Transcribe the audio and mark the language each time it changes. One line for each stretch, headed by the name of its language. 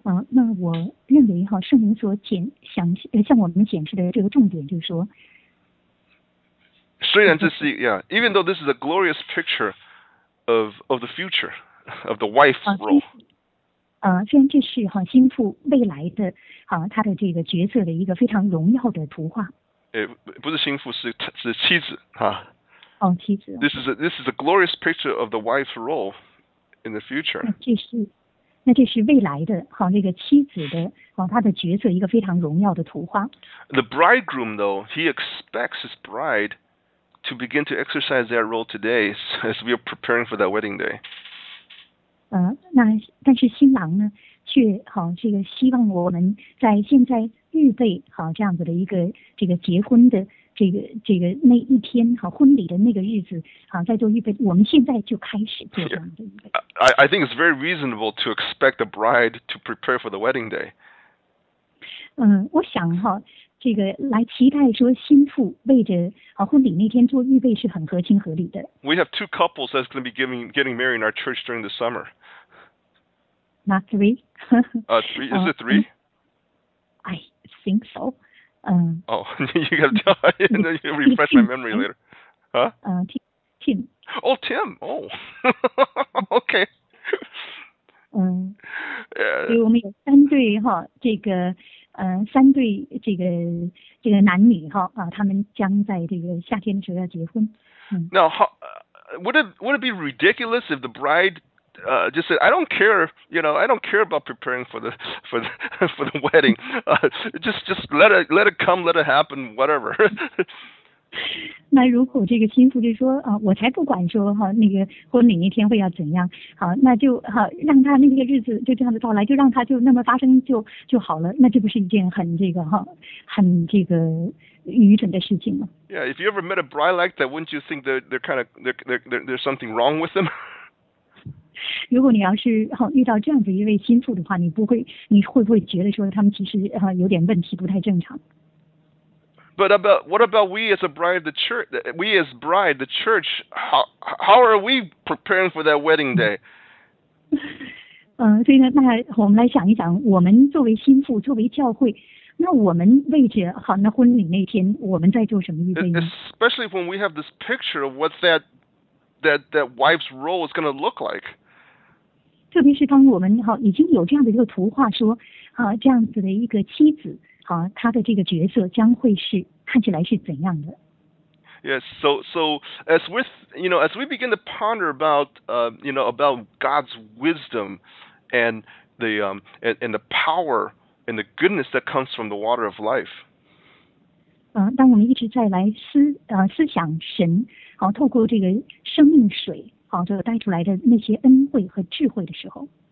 Chinese: 那我认为哈，圣灵所向我们显示的这个重点就是说。虽然这是
English: even though this is a glorious picture of the future of the wife's role，
Chinese: 虽然这是心腹未来的他的这个角色的一个非常荣耀的图画。不是心腹，是妻子妻子。
English: This is a glorious picture of the wife's role in the future。
Chinese: 那这是未来的那个妻子的他的角色一个非常荣耀的图画。
English: The bridegroom, though, he expects his bride. To begin to exercise that role today, as we are preparing for that wedding day.
Chinese: 那但是新郎呢，却这个希望我们在现在预备这样子的一个这个结婚的这个那一天婚礼的那个日子在做预备，我们现在就开始做这样的预备。
English: Yeah. I think it's very reasonable to expect the bride to prepare for the wedding day.
Chinese: 我想这个来期待说新妇为着婚礼那天做预备是很合情合理的。
English: We have two couples that's going to be getting married in our church during the summer. Not three. Is it three? I think so. You got to tell. You refresh my memory later. Tim. Oh, Tim. Oh. Okay.
Chinese: 所以我们有三对这个。三对这个男女他们将在这个夏天的时候要结婚。
English: Now, would it be ridiculous if the bride just said, "I don't care, you know, I don't care about preparing for the wedding. Just let it come, let it happen, whatever."
Chinese: 那如果这个新妇就说啊，我才不管说哈、啊、那个婚礼那天会要怎样，好、啊，那就哈、啊、让他那个日子就这样的到来，就让他就那么发生就好了，那这不是一件很这个哈、啊、很这个愚蠢的事情吗
English: ？Yeah, if you ever met a bride like that, wouldn't you think they're kind of there's something wrong with them?
Chinese: 如果你要是哈、啊、遇到这样子一位新妇的话，你会不会觉得说他们其实哈、啊、有点问题不太正常？
English: But about, what about we as a bride, the church, we as bride, the church, how are we preparing for that wedding day?
Chinese: 所以呢，那我们来想一想，我们作为新妇，作为教会，那我们为着好那婚礼那天，我们在做什么预备呢？
English: Especially when we have this picture of what that wife's role is going to look like.
Chinese: 特别是当我们好已经有这样的一个图画说，啊，这样子的一个妻子。他的这个角色将会是看起来是怎样的
English: ？Yes, so as with you know, as we begin to ponder about you know about God's wisdom and the and the power and the goodness that comes from the water of life.
Chinese: 当我们一直在来思想神，好、透过这个生命水，好、就带出来的那些恩惠和智慧的时候，